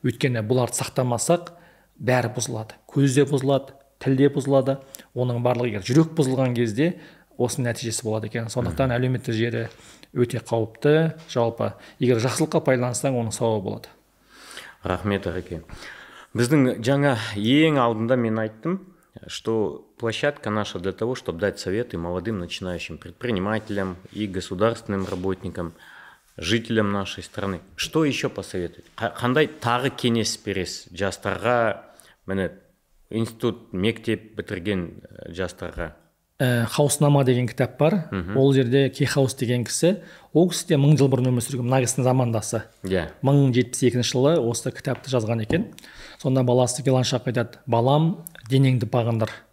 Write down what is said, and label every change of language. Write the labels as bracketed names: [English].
[Kazakh] Өйткені бұларды сақтамасақ бәрі бұзылады. Көзде бұзылады, тілде бұзылады. Оның барлығы егер жүрек бұзылған кезде осы нәтижесі болады екен. Сондықтан әлеуметтік жері өте қауіпті. Жалпы егер жақсылыққа пайдалансаң, оның сауабы болады. Рахмет, әреке. Біздің жаңа ең алдында мен айттым, [Russian] что площадка наша для того, чтобы дать советы молодым начинающим предпринимателям и государственным работникам, жителям нашей страны. Что еще посоветовать? [Kazakh] Қандай тағы кеңес бересіз жастарға? Міне, институт, мектеп бітірген жастарға. Хауснама деген кітап бар. Ол жерде Кейхаус деген кісі. Ол кісі де 1000 жыл бұрын өмір сүрген, мына кісінің замандасы. 1072 жылы осы кітапты жазған екен. Сонда баласы Гелан Шах айтады: «Балам, денеңді бағындыр.